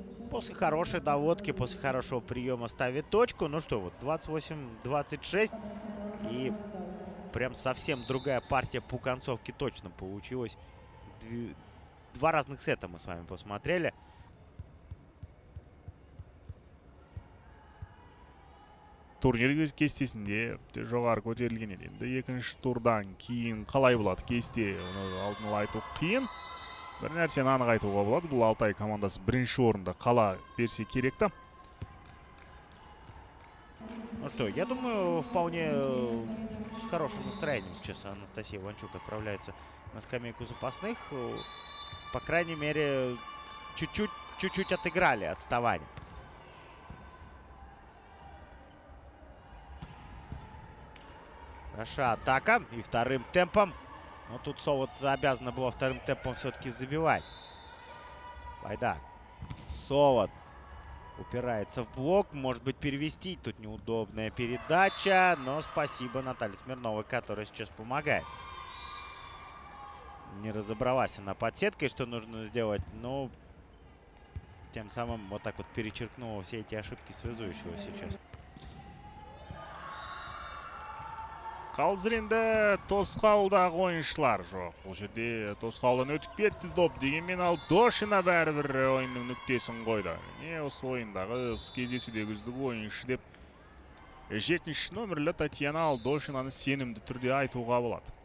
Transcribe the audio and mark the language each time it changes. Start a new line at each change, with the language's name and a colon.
Russian: После хорошей доводки, после хорошего приема ставит точку. Ну что, вот 28-26. И прям совсем другая партия по концовке точно получилась. Два разных сета мы с вами посмотрели.
Kazakh: Турнир кестесінде жоғары көтерілген еді. Енді екінші турдан кейін қалай болады кесте, оны алдын айту қиын. Бір нәрсені анық айтуға болады. Бұл Алтай командасы бірінші орында қала берсе керекті.
Russian: Ну что, я думаю, вполне с хорошим настроением сейчас Анастасия Иванчук отправляется на скамейку запасных. По крайней мере, чуть-чуть отыграли отставание. Хороша атака. И вторым темпом. Но тут Солод обязана была вторым темпом все-таки забивать. Айда. Солод упирается в блок. Может быть, перевести. Тут неудобная передача. Но спасибо Наталье Смирновой, которая сейчас помогает. Не разобралась она под сеткой, что нужно сделать. Но тем самым вот так вот перечеркнула все эти ошибки связующего сейчас.
Kazakh: Қалзыренді Тосқауылда ойыншылар жоқ. Бұл жерде Тосқауылын өтіп кетті доп дегенмен ал Дошина бәрібір ойынның нүктесін қойды. Не осы ойындағы кездесудегі үздік ойыншы деп 7-ші номерлі Татьяна ал Дошинаны сенімді түрде айтуға болады.